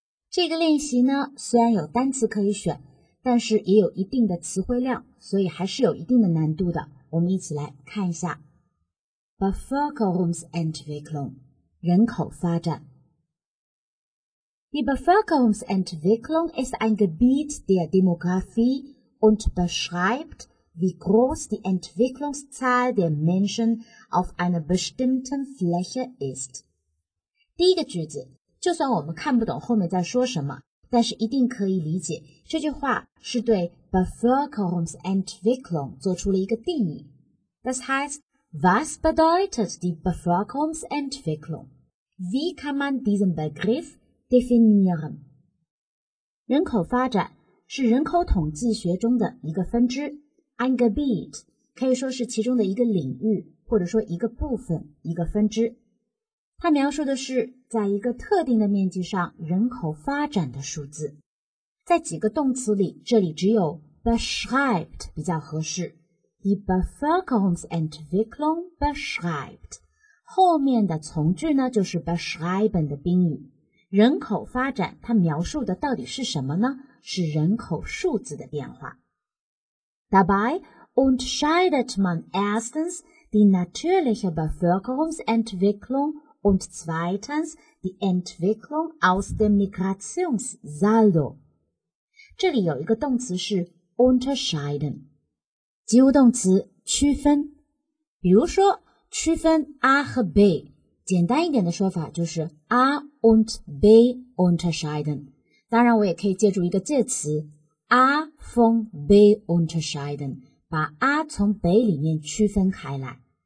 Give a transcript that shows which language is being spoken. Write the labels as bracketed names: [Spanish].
[Chinese] 这个练习呢，虽然有单词可以选，但是也有一定的词汇量，所以还是有一定的难度的。我们一起来看一下 Bevölkerungsentwicklung 人口发展。 [German] Die Bevölkerungsentwicklung ist ein Gebiet der Demografie und beschreibt, wie groß die Entwicklungszahl der Menschen auf einer bestimmten Fläche ist. [Chinese] 第一个句子，就算我们看不懂后面在说什么，但是一定可以理解，这句话是对 Bevölkerungsentwicklung 做出了一个定义。 [German] Das heißt, was bedeutet die Bevölkerungsentwicklung? Wie kann man diesen Begriff definieren? [Chinese] 人口发展是人口统计学中的一个分支。 Ein Gebiet 可以说是其中的一个领域，或者说一个部分，一个分支。它描述的是在一个特定的面积上人口发展的数字。在几个动词里，这里只有 beschreibt 比较合适。 [German] Die Bevölkerungsentwicklung beschreibt [Chinese] 后面的从句呢，就是 beschreiben 的宾语。人口发展它描述的到底是什么呢？是人口数字的变化。 [German] Dabei unterscheidet man erstens die natürliche Bevölkerungsentwicklung und zweitens die Entwicklung aus dem Migrationssaldo. [Chinese] 这里有一个动词是 unterscheiden, 及物动词区分。比如说区分 A 和 B, 简单一点的说法就是 [German] A und B unterscheiden。 [Chinese] 当然我也可以借助一个介词 [German] A von B unterscheiden, [Chinese] 把 A 从 B 里面区分开来。